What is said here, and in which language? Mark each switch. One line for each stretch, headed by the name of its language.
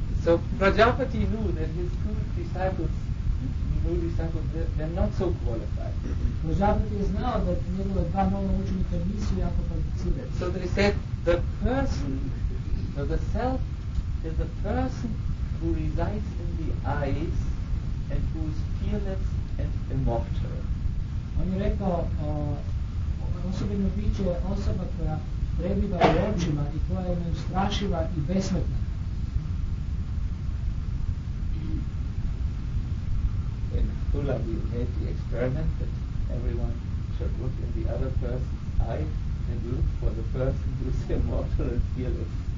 English: So Prajapati knew that his good disciples, new disciples, they're not so qualified.
Croatian: Prajapati je znao da njegove dva nova učenika nisu jako kvalificirani.
English: So they said, the person, the self, is the person who resides in the eyes and who is fearless and immortal.
Croatian: On je rekao, osobeno biće je osoba koja prebiva u očima i koja je neustrašiva i besmrtna.
English: In Pula we made the experiment that everyone should look in the other person's eye and look for the person who is immortal and fearless.